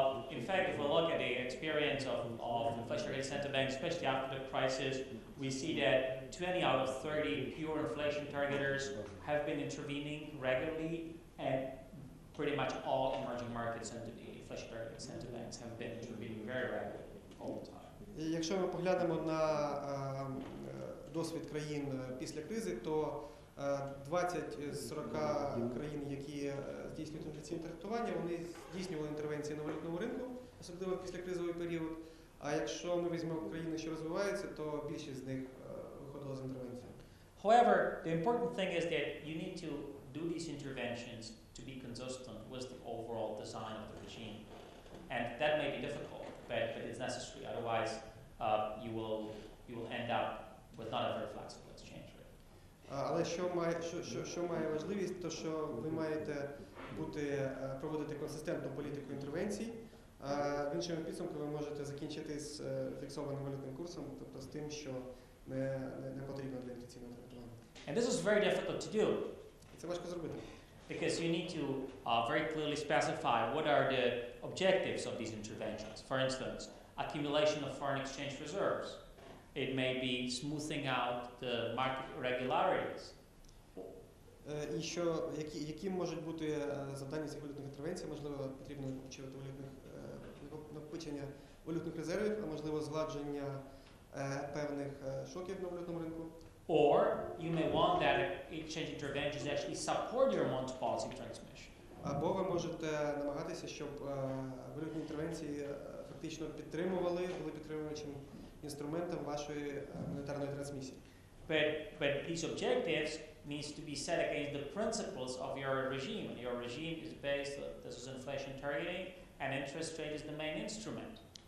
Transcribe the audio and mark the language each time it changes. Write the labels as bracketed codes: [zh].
[en] In fact, if we look at the experience of inflation targeting central banks, especially after the crisis, we see that 20 out of 30 pure inflation targeters have been intervening regularly and pretty much all emerging markets under the inflation targeting central banks have been intervening very regularly all the time. [uk] Якщо ми поглянемо на досвід країн після кризи, то 20 з 40 країн, які здійснюють інфляційне таргетування, вони здійснювали інтервенції на валютному ринку, особливо після кризовий період. А якщо ми візьмемо країни, що розвиваються, то більшість з них виходила з інтервенції. [en] However, the important thing is that you need to do these interventions to be consistent with the overall design of the regime. And that may be difficult, but it's necessary. Otherwise, you will end up with not a very flexible exchange rate. [uk] Але що має важливість, то що ви маєте бути проводити консистентну політику інтервенцій, В іншому підсумку ви можете закінчити з фіксованим валютним курсом, тобто з тим, що не потрібно для інфляційного таргетування. [en] And this is very difficult to do. [uk] Це важко зробити. [en] Because you need to very clearly specify what are the objectives of these interventions. For instance, accumulation of foreign exchange reserves. It may be smoothing out the market irregularities. [uk] І що, яким можуть бути завдання цих валютних інтервенцій? Можливо, потрібно накопичувати накопичення валютних резервів, а можливо, згладження певних шоків на валютному ринку. [en] Or you may want that exchange interventions actually support your monetary policy transmission. [uk] Або ви можете намагатися, щоб валютні інтервенції фактично підтримували, були підтримуючим інструментом вашої монетарної трансмісії. [en] But these objectives needs to be set against the principles of your regime. Your regime is based on this is inflation targeting and interest rate is the main instrument.